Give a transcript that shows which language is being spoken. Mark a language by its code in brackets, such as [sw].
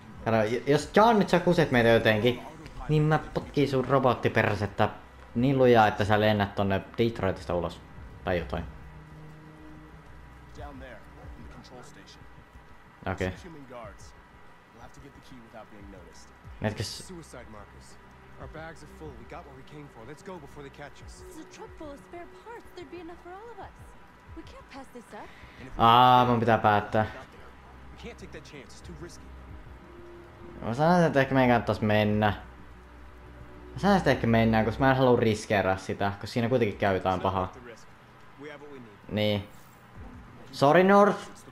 [fi] Kato, jos John nyt sä kuset meitä jotenkin, niin mä potkin sun robottiperäsettä niin lujaa, että sä lennät tonne Detroitista ulos. Tai jotain. [en] Down there in the control station. Okei. Human guards. We'll have to get the key without being noticed. Netkäs suicide markers. Our bags are full. We got what we came for. Let's go before they catch us. It's a truck full of spare parts. There'd be enough for all of us. We can't pass this up. [fi] Mun pitää päättää. [en] We can't take that chance. It's too risky. [fi] Mä sanoisin, että ehkä meidän kannattaisi mennä. Mä sanoisin, että ehkä mennään, koska mä en halua riskeerää sitä, koska siinä kuitenkin käy jotain pahaa. Niin. Sorry North.